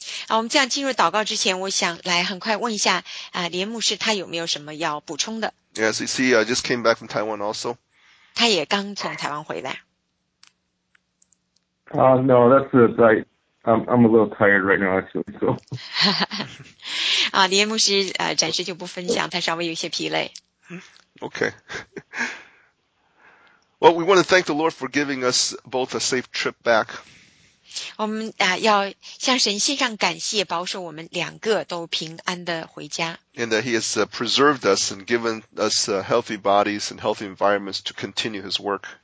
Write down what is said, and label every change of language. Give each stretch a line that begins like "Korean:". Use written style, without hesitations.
Chinese: 我们这样进入祷告之前，我想来很快问一下连牧师他有没有什么要补充的。
English: Yes, you see, I just came back from Taiwan also.
Chinese: 他也刚从台湾回来。
English: No, that's it. I'm a little tired right now, actually. So.
Chinese: 连牧师暂时就不分享，他稍微有些疲累。
English: Okay. Well, we want to thank the Lord for giving us both a safe trip back.
Chinese: 我们要向神献上感谢，保守我们两个都平安的回家。And
English: that He has preserved us and given us healthy bodies and healthy environments to continue His work.